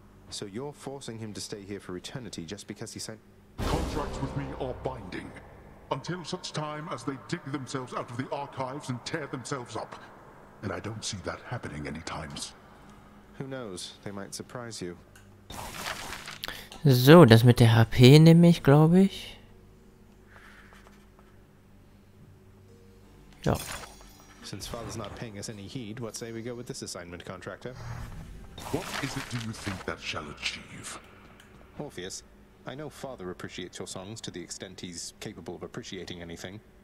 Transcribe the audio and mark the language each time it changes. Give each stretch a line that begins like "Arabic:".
English: So you're forcing him to stay here for eternity just because he signed... Contracts with me are binding. Until such time as they dig themselves out of the archives and tear themselves up. And I don't see that happening any times. Who knows? They might surprise you.
German: So, das mit der HP nehme ich, glaube ich. Ja.
English: Since Father's not paying us any heed, what say we go with this assignment, Contractor? What is it do you think that shall achieve? Orpheus, I know Father appreciates your songs to the extent he's capable of appreciating anything.